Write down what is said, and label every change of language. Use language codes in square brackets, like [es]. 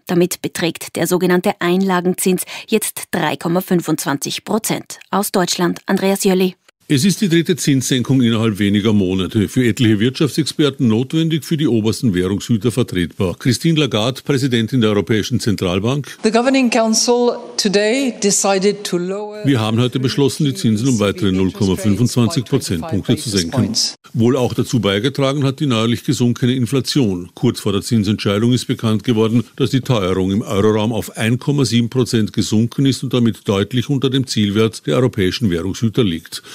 [de] Damit beträgt der sogenannte Einlagenzins jetzt 3,25%. Aus Deutschland, Andreas Jölli. Es ist die dritte Zinssenkung innerhalb weniger Monate. Für etliche Wirtschaftsexperten notwendig, für die obersten Währungshüter vertretbar. Christine Lagarde, Präsidentin der Europäischen Zentralbank. [en] The Governing Council today decided to lower. [de] Wir haben heute beschlossen, die Zinsen um weitere 0,25 Prozentpunkte zu senken. Wohl auch dazu beigetragen hat die neuerlich gesunkene Inflation. Kurz vor der Zinsentscheidung ist bekannt geworden, dass die Teuerung im Euroraum auf 1,7% gesunken ist und damit deutlich unter dem Zielwert der europäischen Währungshüter liegt.